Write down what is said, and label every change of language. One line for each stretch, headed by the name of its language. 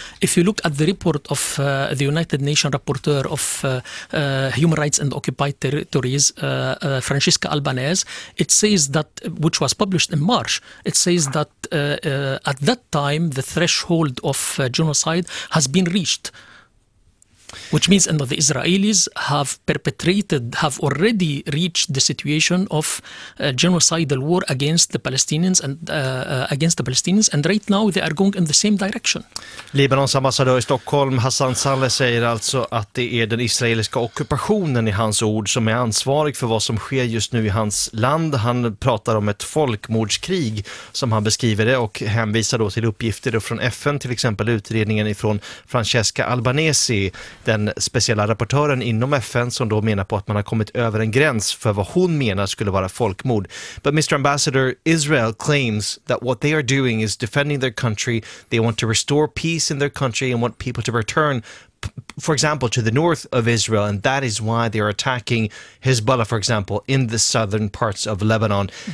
English: If you look at the report of the United Nations rapporteur of human rights and occupied territories, Francesca Albanese, it says that, which was published in March, it says that at that time the threshold of genocide has been reached, which means that the Israelis have already reached the situation of genocidal war against the Palestinians and right now they are going in the same direction.
Swedish: Libanons ambassadör i Stockholm Hassan Saleh säger alltså att det är den israeliska ockupationen i hans ord som är ansvarig för vad som sker just nu i hans land. Han pratar om ett folkmordskrig som han beskriver det och hänvisar då till uppgifter från FN, till exempel utredningen från Francesca Albanese, den speciella rapportören inom FN som då menar på att man har kommit över en gräns för vad hon menar skulle vara folkmord.
English: But Mr. Ambassador, Israel claims that what they are doing is defending their country. They want to restore peace in their country and want people to return, for example, to the north of Israel. And that is why they are attacking Hezbollah, for example, in the southern parts of Lebanon.